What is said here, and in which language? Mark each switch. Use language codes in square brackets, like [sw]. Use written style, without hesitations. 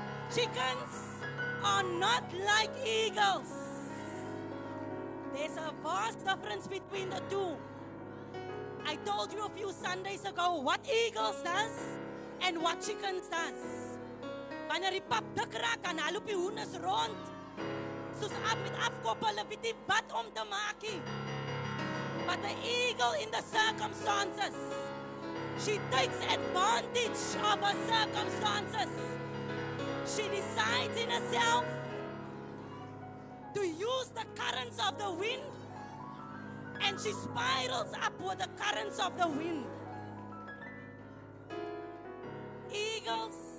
[en] Chickens are not like eagles. There's a vast difference between the two. I told you a few Sundays ago what eagles does and what chickens does. [af] Wanneer die pap dik raak, dan loop die hoenders rond. Soos af met afkop, hulle weet nie wat om te maak nie. [en] But the eagle in the circumstances, she takes advantage of her circumstances. She decides in herself to use the currents of the wind, and she spirals up with the currents of the wind. Eagles